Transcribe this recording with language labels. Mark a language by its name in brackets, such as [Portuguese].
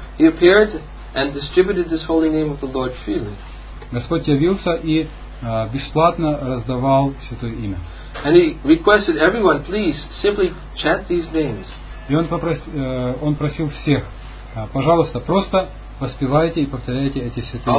[English] He appeared and distributed this holy name of the Lord freely. [Russian] Господь явился и бесплатно раздавал святое имя. [English] And he requested everyone, please simply chant these names. [Russian] И он просил всех, пожалуйста, просто воспевайте и повторяйте эти святые имена.